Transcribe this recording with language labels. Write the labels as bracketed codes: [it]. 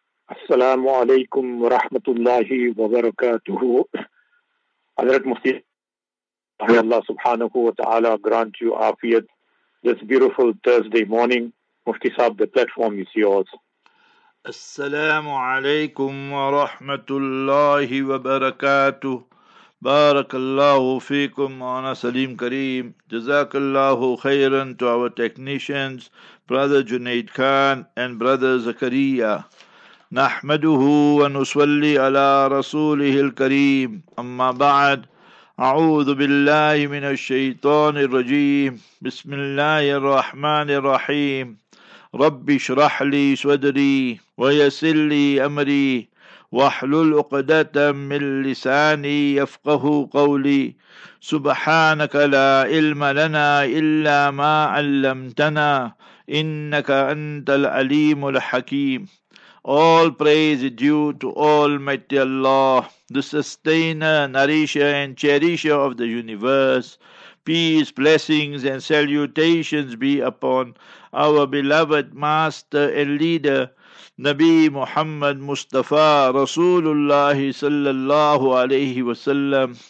[ar] السلام عليكم ورحمة الله وبركاته. [ur] حضرت مفتی صاحب، اللہ سبحانہ و تعالی [en] grant you afiyat this beautiful Thursday morning. [ur] مفتی صاحب، [en] the platform is yours. [ar] السلام عليكم ورحمة الله وبركاته. بارك الله فيكم وانا سليم كريم. جزاك الله خيرا [en] to our technicians, brother Junaid Khan and brother Zakaria. [ar] نحمده ونصلي على رسوله الكريم أما بعد أعوذ بالله من الشيطان الرجيم بسم الله الرحمن الرحيم رب اشرح لي صدري ويسر لي أمري واحلل عقدة من لساني يفقه قولي سبحانك لا علم لنا إلا ما علمتنا إنك أنت العليم الحكيم. [en] All praise is due to Almighty Allah, the sustainer, nourisher and cherisher of the universe. Peace, blessings and salutations be upon our beloved master and leader, Nabi Muhammad Mustafa Rasulullah sallallahu alayhi wa sallam.